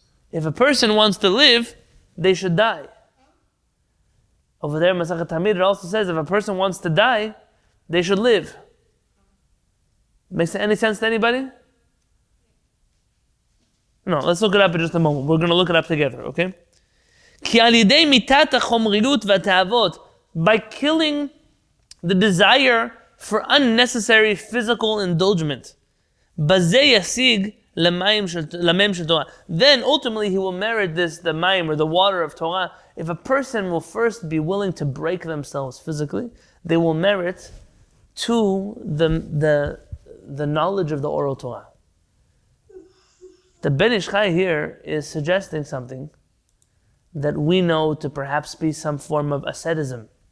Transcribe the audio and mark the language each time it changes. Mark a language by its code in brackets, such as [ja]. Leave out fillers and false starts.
[en] If a person wants to live, they should die. Over there, Masechet Tamid, it also says, if a person wants to die, they should live. Makes any sense to anybody? No, let's look it up in just a moment. We're going to look it up together, okay? [he] כי על ידי מיטת החומריות והתאוות, [en] by killing the desire for unnecessary physical indulgement, [he] בזה ישיג למים של תורה. [en] Then ultimately he will merit this, the mayim, or the water of Torah. If a person will first be willing to break themselves physically, they will merit to the knowledge of the oral Torah. The Ben Ish Chai here is suggesting something that we know to perhaps be some form of ascetism.